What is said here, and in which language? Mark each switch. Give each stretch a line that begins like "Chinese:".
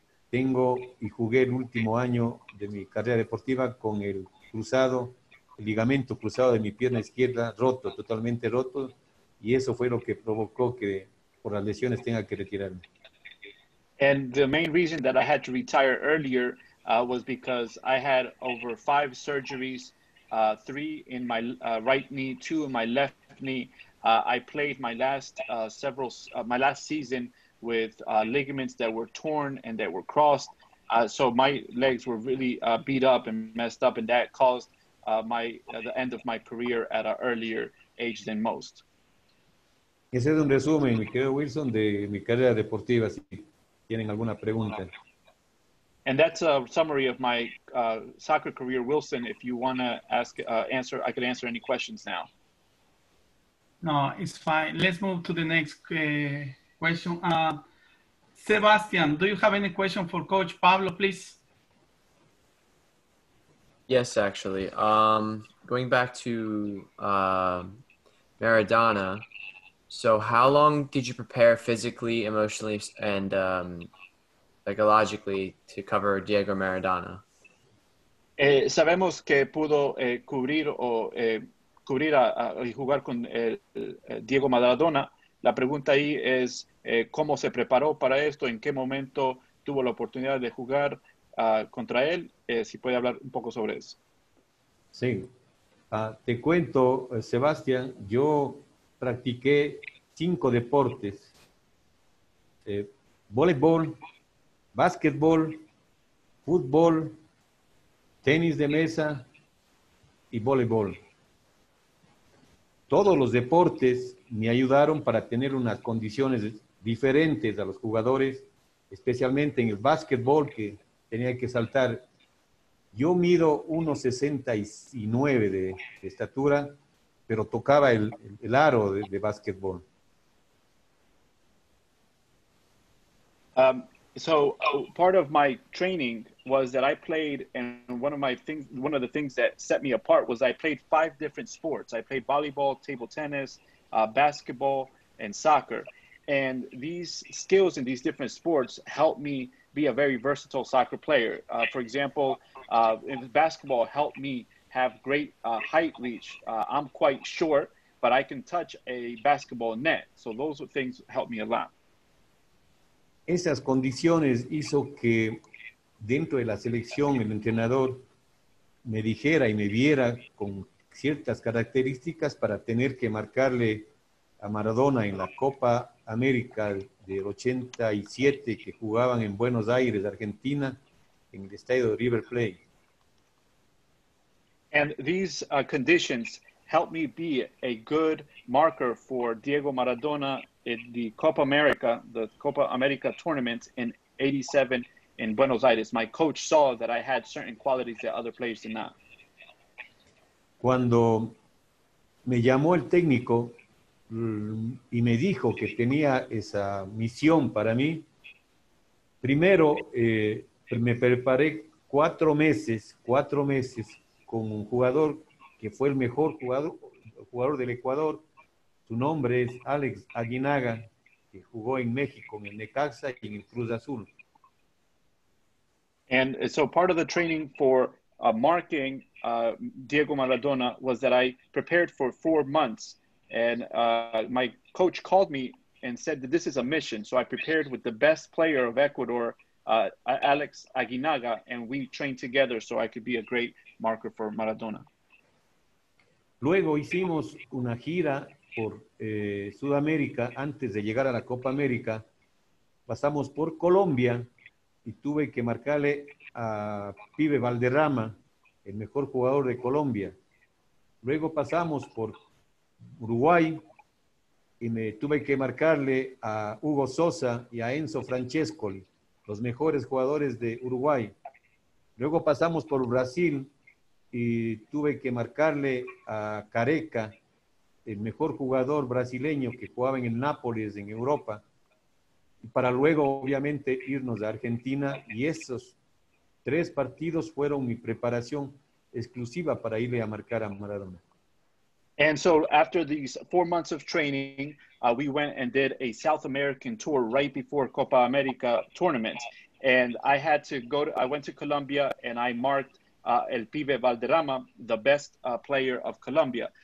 Spanish: Tengo y jugué el último año de mi carrera deportiva con el ligamento cruzado de mi pierna izquierda roto, totalmente roto, y eso fue lo que provocó que por las lesiones tenga que retirarme.
English: And the main reason that I had to retire earlier was because I had over 5 surgeries, 3 in my right knee, 2 in my left knee. I played my last season with ligaments that were torn and that were crossed. So my legs were really beat up and messed up, and that caused the end of my career at an earlier age than most.
Spanish: Ese es un resumen, mi querido Wilson, de mi carrera deportiva, si tienen alguna pregunta.
English: And that's a summary of my soccer career, Wilson. If you want to ask, answer, I could answer any questions now. No, it's fine. Let's move to the next question. Sebastian, do you have any question for Coach Pablo, please? Yes, actually. Going back to Maradona, so how long did you prepare physically, emotionally, and psychologically to cover Diego Maradona?
Spanish: Sabemos que pudo cubrir o cubrir y jugar con Diego Maradona. La pregunta ahí es cómo se preparó para esto, en qué momento tuvo la oportunidad de jugar contra él. Si puede hablar un poco sobre eso. Sí. Te cuento, Sebastián, yo practiqué 5 deportes. Voleibol, básquetbol, fútbol, tenis de mesa y voleibol. Todos los deportes me ayudaron para tener unas condiciones diferentes a los jugadores, especialmente en el básquetbol, que tenía que saltar. Yo mido 1.69 de estatura, pero tocaba el aro de básquetbol.
English: So part of my training was that I played, and one of the things that set me apart was I played 5 different sports. I played volleyball, table tennis, basketball, and soccer. And these skills in these different sports helped me be a very versatile soccer player. For example, basketball helped me have great height reach. I'm quite short, but I can touch a basketball net. So those things helped me a lot.
Spanish: Esas condiciones hizo que dentro de la selección el entrenador me dijera y me viera con ciertas características para tener que marcarle a Maradona en la Copa América del 87 que jugaban en Buenos Aires, Argentina, en el estadio de River Plate.
English: And these conditions helped me be a good marker for Diego Maradona in the Copa America tournament in 87 in Buenos Aires. My coach saw that I had certain qualities that other players did not.
Spanish: Cuando me llamó el técnico y me dijo que tenía esa misión para mí, primero me preparé 4 meses con un jugador que fue el mejor jugador del Ecuador. Su nombre es Alex Aguinaga, que jugó en México, en el Necaxa y en el Cruz Azul.
English: And so part of the training for marking Diego Maradona was that I prepared for 4 months. And my coach called me and said that this is a mission. So I prepared with the best player of Ecuador, Alex Aguinaga, and we trained together so I could be a great marker for Maradona.
Spanish: Luego hicimos una gira por Sudamérica, antes de llegar a la Copa América, pasamos por Colombia y tuve que marcarle a Pibe Valderrama, el mejor jugador de Colombia. Luego pasamos por Uruguay y me tuve que marcarle a Hugo Sosa y a Enzo Francescoli, los mejores jugadores de Uruguay. Luego pasamos por Brasil y tuve que marcarle a Careca, el mejor jugador brasileño que jugaba en el Nápoles en Europa, para luego obviamente irnos a Argentina, y esos 3 partidos fueron mi preparación exclusiva para irle a marcar a Maradona.
English: And so after these 4 months of training, we went and did a South American tour right before Copa America tournament, and I went to Colombia and I marked El Pibe Valderrama, the best player of Colombia.